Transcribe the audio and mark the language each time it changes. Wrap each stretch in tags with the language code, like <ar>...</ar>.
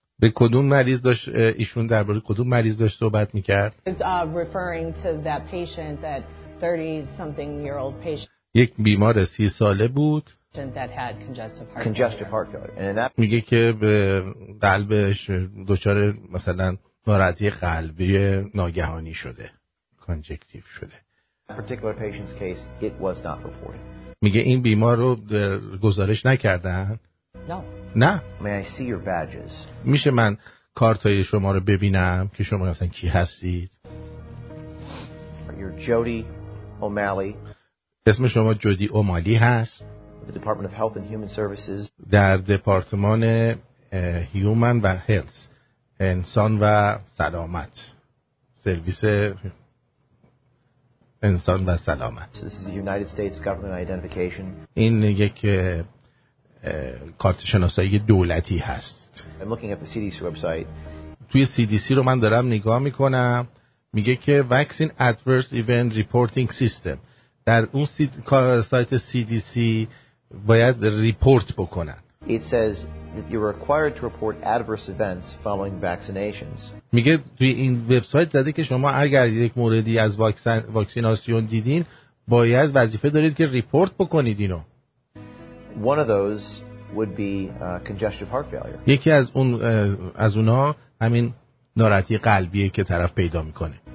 <fa>به کدوم مریض داشت ایشون درباره کدوم مریض داشت صحبت می‌کرد؟</fa> <en>Referring to that patient that 30 something year old patient.</en> <fa>یک بیمار 30 ساله بود.</fa> <en>That had congestive heart failure. And that</en> <fa>میگه که به قلبش دچار مثلا ناراحتی قلبی ناگهانی شده. Congestive شده.</fa> <en>Particular patient's case it was not reported.</en> <fa>میگه این بیمار رو گزارش نکردن؟ نه. نه. میشه من کارتای شما رو ببینم که شما اصلا کی هستید؟</fa> <en>You're Jody O'Malley.</en> <fa>اسم شما جودی اومالی هست.</fa> <en>The Department of Health and Human Services.</en> <fa>در دپارتمان هیومن و هلس انسان و سلامت. سرویس انسان و سلامت.</fa> <en>So this is the United States government identification.</en> <fa>این یک کارت شناسایی دولتی هست.</fa> <en>I'm looking at the CDC website.</en> <fa>توی CDC رو من دارم نگاه میکنم. میگه که</fa> <en>Vaccine Adverse Event Reporting System.</en> <fa>در اون سایت CDC باید ریپورت بکنن.</fa> <en>It says that you're required to report adverse events following vaccinations.</en> <fa>میگه توی این وبسایت داده که شما اگر یک موردی از واکسیناسیون دیدین باید وظیفه دارید که ریپورت بکنید اینو.</fa> <en>One of those would be congestive heart failure.</en> <fa>یکی از اون از اونها همین ناراحتی قلبیه که طرف پیدا میکنه.</fa>